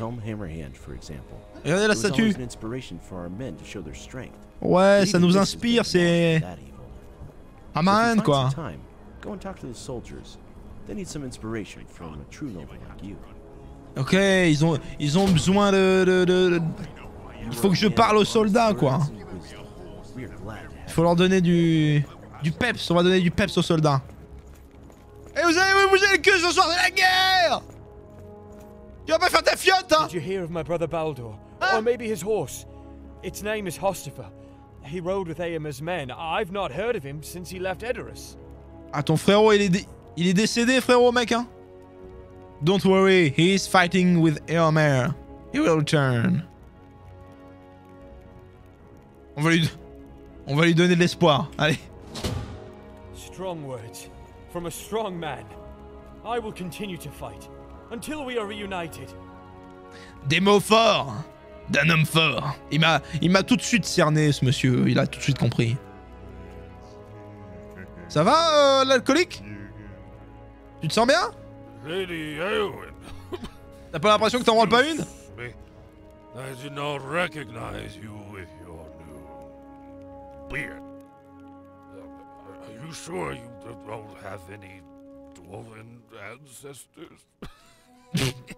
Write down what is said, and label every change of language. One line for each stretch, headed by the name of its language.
French: Regardez la statue.
English: An inspiration for our men to show their strength.
French: Ouais, ça nous inspire, c'est... Aman, quoi.
English: Go and talk to the soldiers. They need some inspiration from a true noble like you.
French: Ok, ils ont besoin de... Il faut que je parle aux soldats, quoi. Il faut leur donner du peps. On va donner du peps aux soldats. Et vous avez le cul ce soir de la guerre. Tu vas pas faire ta fiotte, hein.
English: Did you hear of my brother Baldur?
French: Hein?
English: Or maybe his horse. Its name is Hostifer. He rode with Aemir's men. I've not heard of him since he left Edoras.
French: Ah, ton frérot, il est décédé, frérot, mec, hein.
English: Don't worry, he's fighting with Eomer. He will return.
French: On va lui donner de l'espoir. Allez.
English: Strong words from a strong man. I will continue to fight until we are reunited.
French: Des mots forts d'un homme fort. Il m'a tout de suite cerné, ce monsieur. Il a tout de suite compris. Ça va, l'alcoolique? Tu te sens bien?
English: Lady Eowyn.
French: T'as pas l'impression que t'en rôles pas une?
English: I did not recognize you with your new beard. Are you sure you don't have any dwarven ancestors?